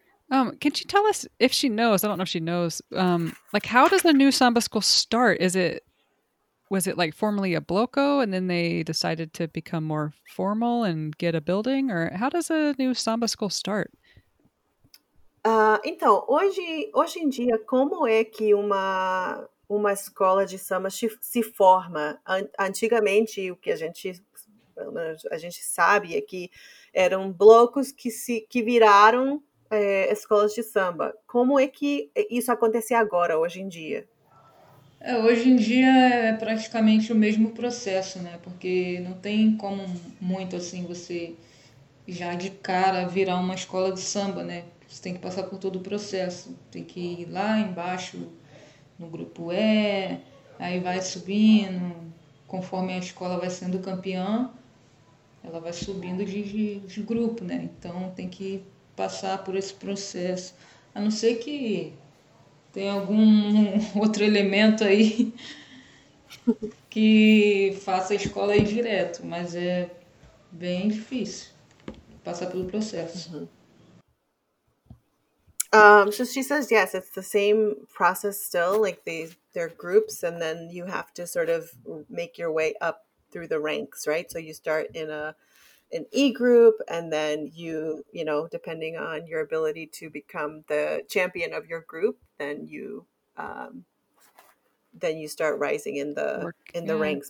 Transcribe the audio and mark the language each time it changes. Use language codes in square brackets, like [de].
[en] Can she tell us if she knows? I don't know if she knows. How does the new samba school start? Was it like formerly a bloco and then they decided to become more formal and get a building? Or how does a new samba school start? [pt] Então, hoje em dia, como é que uma escola de samba se forma? Antigamente, o que a gente sabe é que eram blocos que viraram escolas de samba. Como é que isso acontece agora, hoje em dia? Hoje em dia é praticamente o mesmo processo, né? Porque não tem como muito assim você já de cara virar uma escola de samba, né? Você tem que passar por todo o processo. Tem que ir lá embaixo no grupo E, aí vai subindo, conforme a escola vai sendo campeã, ela vai subindo de grupo, né? Então tem que passar por esse processo. A não ser que tem algum outro elemento aí que faça a escola ir direto, mas é bem difícil passar pelo processo. [en] So she says yes, it's the same process still, like they're groups and then you have to sort of make your way up through the ranks, right? So you start in an E group, and then you depending on your ability to become the champion of your group, then you start rising in the ranks.